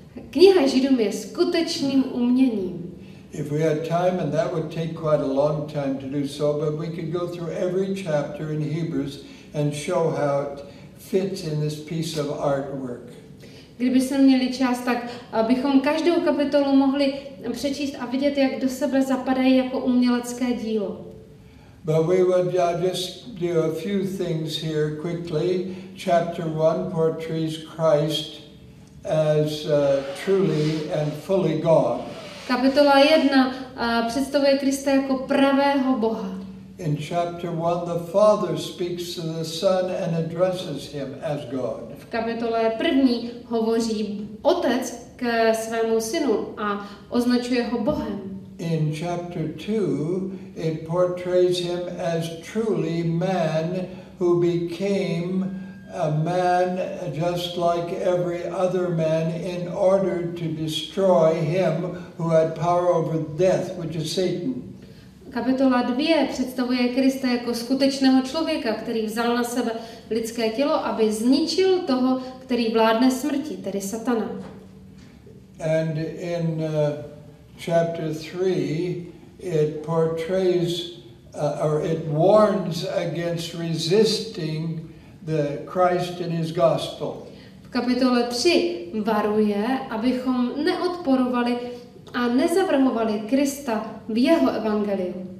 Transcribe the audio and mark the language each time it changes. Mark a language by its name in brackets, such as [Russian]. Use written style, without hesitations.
[Czech] Kniha Židům je skutečným uměním. [English] If we had time, and that would take quite a long time to do so, but we could go through every chapter in Hebrews and show how it fits in this piece of artwork. [Czech] Kdyby jsme měli čas, tak bychom každou kapitolu mohli přečíst a vidět, jak do sebe zapadají jako umělecké dílo. [English] But we would just do a few things here quickly. Chapter 1 portrays Christ as truly and fully God. [Czech] Kapitola 1 představuje Krista jako pravého Boha. [English] In chapter 1 the Father speaks to the Son and addresses him as God. [Czech] V kapitole 1 hovoří Otec k svému synu a označuje ho Bohem. [English] In chapter 2 it portrays him as truly man who became a man just like every other man in order to destroy him who had power over death, which is Satan. [Czech] Kapitola 2 představuje Krista jako skutečného člověka, který vzal na sebe lidské tělo, aby zničil toho, který vládne smrti, tedy Satana. [English] And in chapter 3 it portrays or it warns against resisting the Christ in his gospel. [Czech] V kapitole 3 varuje, abychom neodporovali a nezavrhovali Krista v jeho evangeliu.